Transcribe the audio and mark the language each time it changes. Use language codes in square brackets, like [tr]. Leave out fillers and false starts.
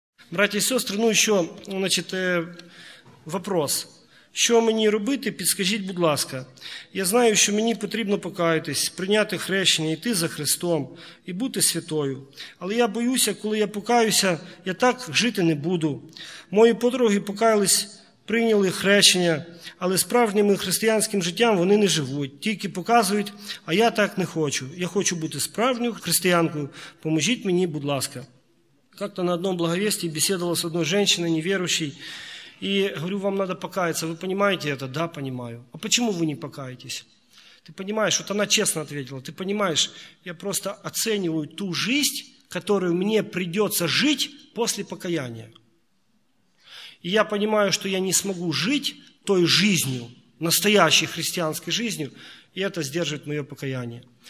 [ru] Братья и сестры, ну еще, значит, вопрос. [uk] Що мені робити, підскажіть, будь ласка. Я знаю, що мені потрібно покаятись, прийняти хрещення, йти за Христом і бути святою. Але я боюся, коли я покаюся, я так жити не буду. Мої подруги покаялись, прийняли хрещення, але справжнім християнським життям вони не живуть, тільки показують, а я так не хочу. Я хочу бути справжньою християнкою, поможіть мені, будь ласка. Как-то на одному благовісті бесідувала з одною жінкою, невіруючою, [ru] и говорю, вам надо покаяться. Вы понимаете это? Да, понимаю. А почему вы не покаетесь? Ты понимаешь, вот она честно ответила. Ты понимаешь, я просто оцениваю ту жизнь, которую мне придется жить после покаяния. И я понимаю, что я не смогу жить той жизнью, настоящей христианской жизнью, и это сдерживает мое покаяние.